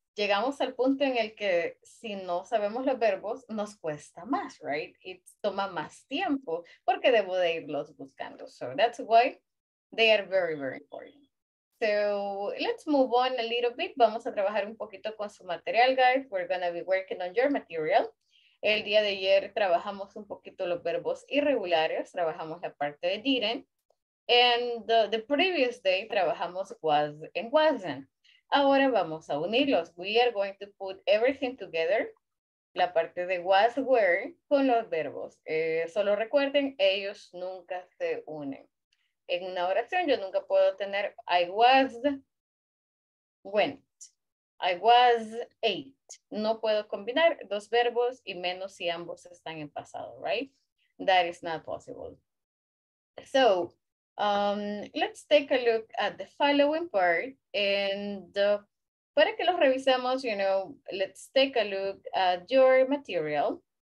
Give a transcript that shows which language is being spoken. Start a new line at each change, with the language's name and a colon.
Spanish: Llegamos al punto en el que si no sabemos los verbos, nos cuesta más, right? It toma más tiempo porque debo de irlos buscando.
English: So that's why they are very, very important. So let's move on a little bit.
Spanish: Vamos a trabajar un poquito con su material, guys.
English: We're going to be working on your material.
Spanish: El día de ayer trabajamos un poquito los verbos irregulares. Trabajamos la parte de didn't.
English: And the previous day
Spanish: trabajamos
English: was and wasn't.
Spanish: Ahora vamos a unirlos.
English: We are going to put everything together.
Spanish: La parte de was, were, con los verbos. Solo recuerden, ellos nunca se unen. En una oración, yo nunca puedo tener
English: I was, went. I was, ate.
Spanish: No puedo combinar dos verbos y menos si ambos están en pasado, right?
English: That is not possible. So, let's take a look at the following part, and
Spanish: para que los revisemos,
English: you know, let's take a look at your material.